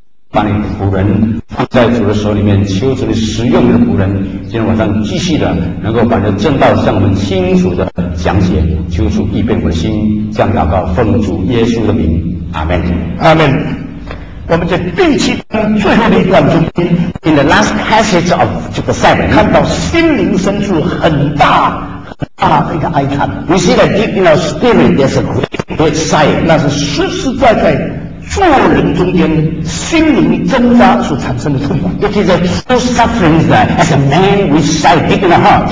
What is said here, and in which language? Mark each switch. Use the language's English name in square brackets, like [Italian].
[Chinese] 把你仆人放在主的手里面，求主你使用你的仆人，今天晚上继续的能够把这正道向我们清楚的讲解，求主预备我的心，这样祷告奉主耶稣的名，阿门，阿门。我们在第七章最后的一段中间 [English] ，in the last passage of chapter seven， [Chinese] 看到心灵深处很大很大的一个哀叹。 [English] We see that deep in our spirit there's a great sigh， [Chinese] 那是实实在在做人中间心灵挣扎所产生的痛苦。 [English] It is a true suffering that as a man we sigh deep in our heart，